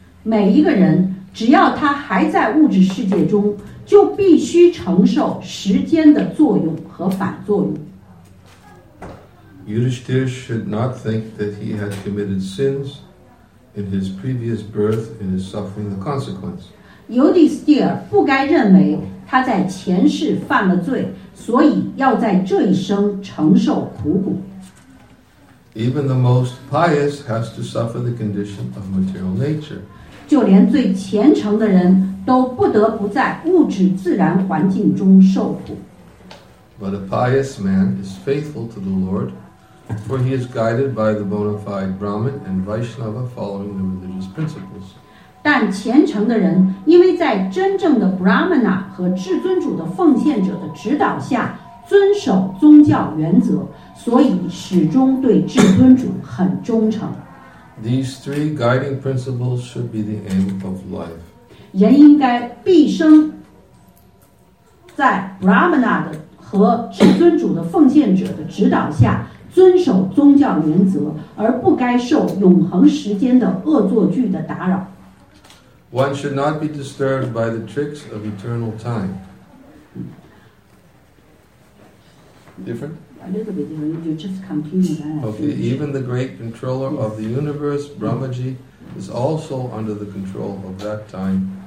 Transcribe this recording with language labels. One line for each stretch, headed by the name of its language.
Chinese: 每一个人只要他还在物质世界中，就必须承受时间的作用和反作用。
English: Yudhishthira should not think that he had committed sins in his previous birth and is suffering the consequence.
Chinese: Yudhishthira 不该认为他在前世犯了罪，所以要在这一生承受苦苦。
English: Even the most pious has to suffer the condition of material nature.
Chinese: 就连最虔诚的人都不得不在物质自然环境中受苦。
English: But a pious man is faithful to the Lord, for he is guided by the bona fide Brahman and Vaishnava following the religious principles.
Chinese: 但虔诚的人因为在真正的 Brahmana 和至尊主的奉献者的指导下遵守宗教原则，所以始终对至尊主很忠诚。
English: These three guiding principles should be the aim of life.
Chinese: 人应该毕生在 Brahmana 的和至尊主的奉献者的指导下遵守宗教原则，而不该受永恒时间的恶作剧的打扰。
English: One should not be disturbed by the tricks of eternal time. Different? A little bit different. You just continue that. Okay, even the great controller of the universe, Brahmaji, is also under the control of that time.